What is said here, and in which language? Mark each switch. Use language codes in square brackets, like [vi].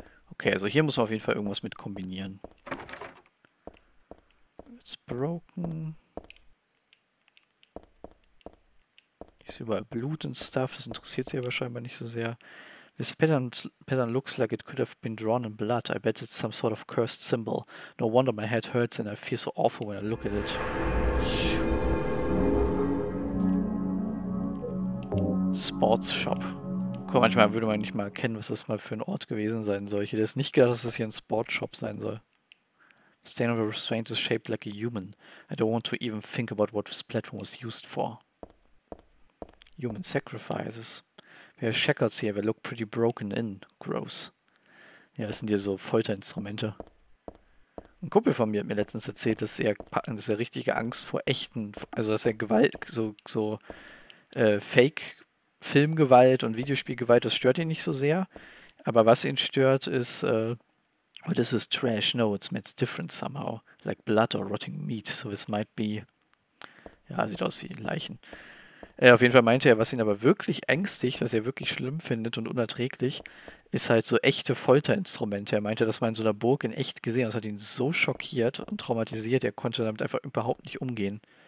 [de] Okay, also hier muss man auf jeden Fall irgendwas mit kombinieren. [en] It's broken. [de] Ist überall Blut und Stuff, das interessiert sie aber scheinbar nicht so sehr. [en] This pattern looks like it could have been drawn in blood. I bet it's some sort of cursed symbol. No wonder my head hurts and I feel so awful when I look at it. Sports Shop. [de] Guck, manchmal würde man nicht mal erkennen, was das mal für ein Ort gewesen sein soll. Ich hätte es nicht gedacht, dass das hier ein Sports Shop sein soll. [en] The stain of the restraint is shaped like a human. I don't want to even think about what this platform was used for. Human sacrifices. We have shackles here. They look pretty broken in. Gross. [de] Ja, es sind ja so Folterinstrumente. Ein Kumpel von mir hat mir letztens erzählt, dass er richtige Angst vor echten, also dass er Gewalt, so Fake-Filmgewalt und Videospielgewalt, das stört ihn nicht so sehr. Aber was ihn stört, ist, [en] well, this is trash, no, it's meant different somehow. Like blood or rotting meat, so this might be. [de] Ja, sieht aus wie Leichen. Auf jeden Fall meinte er, was ihn aber wirklich ängstigt, was er wirklich schlimm findet und unerträglich, ist halt so echte Folterinstrumente. Er meinte, dass man in so einer Burg in echt gesehen hat. Das hat ihn so schockiert und traumatisiert, er konnte damit einfach überhaupt nicht umgehen.